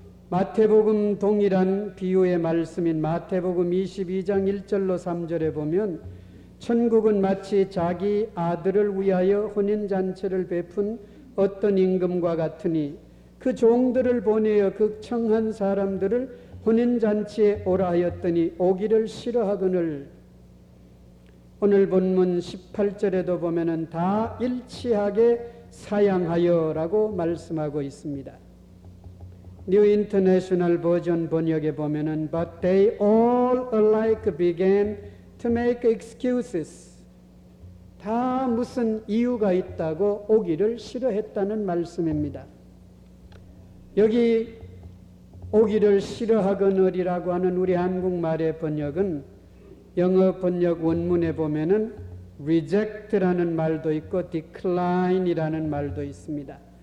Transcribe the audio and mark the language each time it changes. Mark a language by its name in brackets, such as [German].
[Korean] 마태복음 동일한 비유의 말씀인 마태복음 22장 1절로 3절에 보면 천국은 마치 자기 아들을 위하여 혼인잔치를 베푼 어떤 임금과 같으니 그 종들을 보내어 극청한 사람들을 혼인잔치에 오라 하였더니 오기를 싫어하거늘. 오늘 본문 18절에도 보면은 다 일치하게 사양하여라고 말씀하고 있습니다. [English] New International Version [Korean] 번역에 보면은 [English] But they all alike began to make excuses. [Korean] 다 무슨 이유가 있다고 오기를 싫어했다는 말씀입니다. 여기 오기를 싫어하거늘이라고 하는 우리 한국말의 번역은 영어 번역 원문에 보면은 reject라는 말도 있고 decline이라는 말도 있습니다.